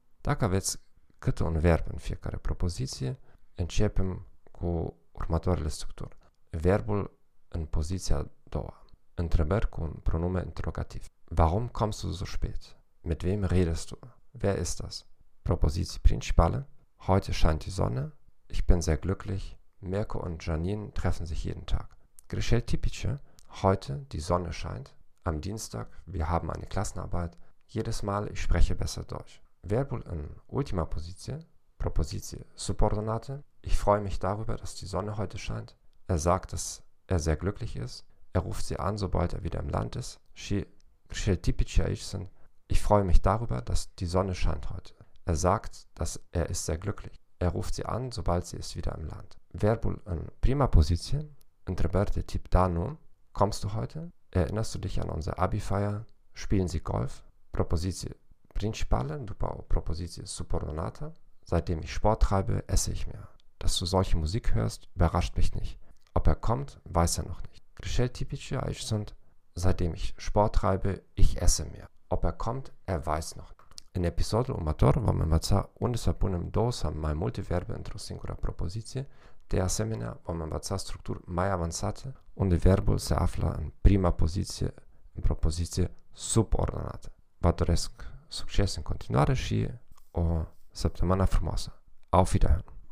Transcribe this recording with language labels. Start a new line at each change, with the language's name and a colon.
Romanian: Dacă aveți câte un verb în fiecare propoziție, începem cu următoarele structuri. Verbul în poziția a doua. Întrebări cu un pronume interrogativ.
German: Warum kommst du so spät? Mit wem redest du? Wer ist das?
Romanian: Propoziții principale.
German: Heute scheint die Sonne. Ich bin sehr glücklich. Mirko und Janine treffen sich jeden Tag.
Romanian: Greșeli tipice.
German: Heute die Sonne scheint. Am Dienstag. Wir haben eine Klassenarbeit. Jedes Mal ich spreche besser Deutsch.
Romanian: Verbul în ultima poziție, propoziție subordonată.
German: Ich freue mich darüber, dass die Sonne heute scheint. Er sagt, dass er sehr glücklich ist. Er ruft sie an, sobald er wieder im Land ist.
Romanian: Și cel tipic aici sunt.
German: Ich freue mich darüber, dass die Sonne scheint heute. Er sagt, dass er ist sehr glücklich. Er ruft sie an, sobald sie ist wieder im Land.
Romanian: Verbul în prima poziție, întrebări de tip da, nu.
German: Kommst du heute? Erinnerst du dich an unsere Abi-Feier? Spielen sie Golf?
Romanian: Propoziție principale, după o propoziție subordonată,
German: seitdem ich Sport treibe, esse ich mehr. Dass du solche Musik hörst, überrascht mich nicht. Ob er kommt, weiß er noch nicht.
Romanian: Greșeli tipice aici sunt,
German: seitdem ich Sport treibe, ich esse mehr. Ob er kommt, er weiß noch nicht.
Romanian: În episodul următor vom învăța unde să punem două sau mai multe verbe într-o singură propoziție, de asemenea vom învăța structuri mai avansate unde verbul se află în prima poziție, în propoziție subordonată. Vă doresc succes în continuare și o săptămână frumoasă.
German: Auf Wiederhören!